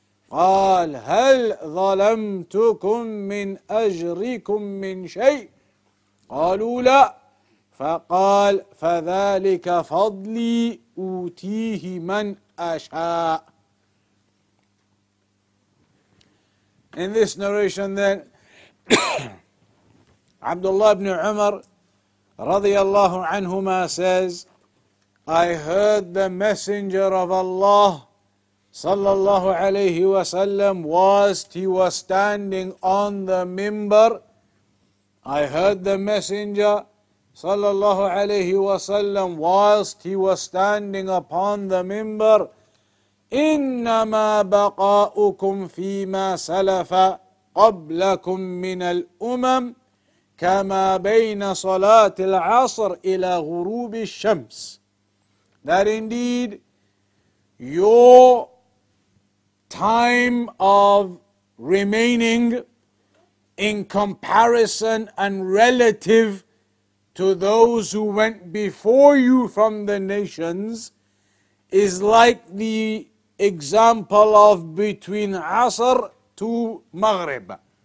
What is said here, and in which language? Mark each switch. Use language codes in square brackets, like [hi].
[ar] قال هل ظلمتكم من أجركم من شيء؟ قالوا لا. فقال فذلك فضلي أوتيه من أشاء. [en] In this narration then, Abdullah ibn Umar [ar] radiyallahu anhuma [en] says, I heard the messenger of Allah [ar] sallallahu alayhi wa sallam [en] whilst he was standing on the minbar. I heard the messenger [ar] sallallahu alayhi wa sallam [en] whilst he was standing upon the minbar. [ar] Innama baqa'ukum fima salafa qablakum min al-umam كما بين صلاة العصر إلى غروب الشمس. [en] That indeed your time of remaining in comparison and relative to those who went before you from the nations is like the example of between Asr to Maghrib.